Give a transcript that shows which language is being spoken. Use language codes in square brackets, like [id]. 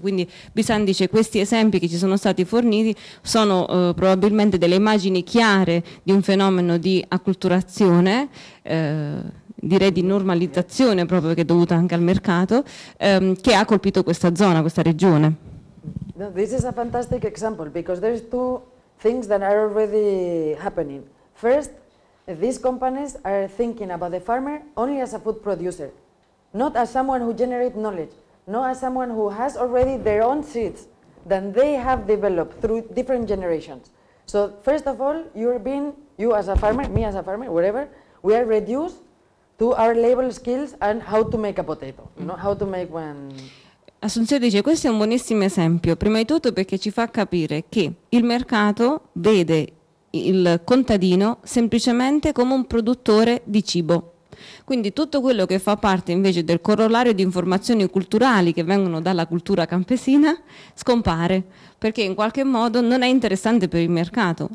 [it] Quindi Bisan dice questi esempi che ci sono stati forniti sono probabilmente delle immagini chiare di un fenomeno di acculturazione, direi di normalizzazione proprio, che è dovuta anche al mercato, che ha colpito questa zona, questa regione. [en] No, this is a fantastic example because there's two things that are already happening. First, these companies are thinking about the farmer only as a food producer, not as someone who generates knowledge, not as someone who has already their own seeds that they have developed through different generations. So first of all, you as a farmer, me as a farmer, whatever, we are reduced to our labor skills and how to make a potato, not how to make one. [it] Assunzione dice, questo è un buonissimo esempio, prima di tutto perché ci fa capire che il mercato vede il contadino semplicemente come un produttore di cibo. Quindi tutto quello che fa parte invece del corollario di informazioni culturali che vengono dalla cultura campesina scompare, perché in qualche modo non è interessante per il mercato.